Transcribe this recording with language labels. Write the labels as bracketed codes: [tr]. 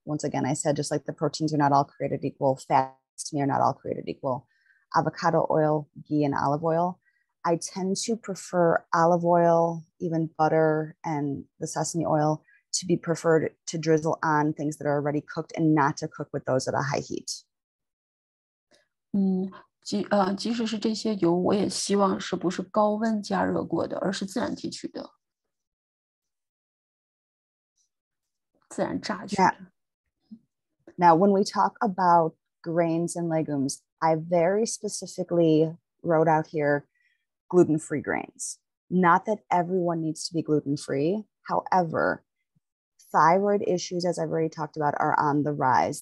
[en] Once again, I said just like the proteins are not all created equal, fats to me are not all created equal. Avocado oil, ghee, and olive oil. I tend to prefer olive oil, even butter and the sesame oil to be preferred to drizzle on things that are already cooked and not to cook with those at a high heat. [zh] 即使是这些油，我也希望是不是高温加热过的，而是自然提取的，自然榨取的。 [en] Now, when we talk about grains and legumes, I very specifically wrote out here,gluten-free grains. Not that everyone needs to be gluten-free. However, thyroid issues, as I've already talked about, are on the rise.